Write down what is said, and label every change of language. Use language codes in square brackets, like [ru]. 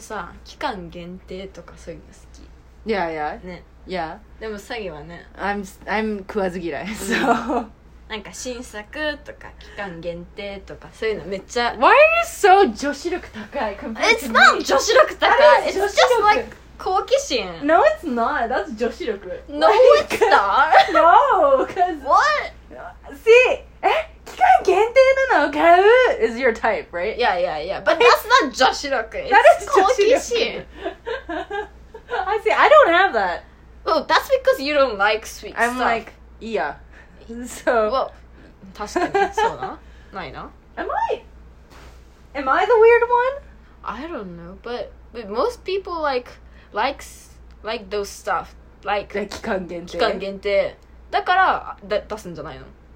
[ja] 私、あと割とさ、期間限定とかそういうの好き。 [en] Yeah, yeah. [ja] ね。 [en] Yeah. [ja] でもサギはね [en] I'm [ja] 食わず嫌い [en] so [ja] なんか新作とか期間限定とかそういうのめっちゃ [en] Why are you so [ja] 女子力高い? [en] It's not [ja] 女子力高い [en] It's just like 好奇心 No it's not That's 女子力 No it's not No Cause What? See [ja] 期間限定なのを買う [en] Is your type right? Yeah yeah yeah But that's not 女子力 It's 好奇心 I see I don't have that Oh, that's because you don't like sweet I'm stuff. I'm like, yeah. So. [ja] Well, 確かにそうな。ないな。 [en] Am I the weird one? I don't know, but most people like those stuff. Like [ja] 期間限定。だから出すんじゃないの。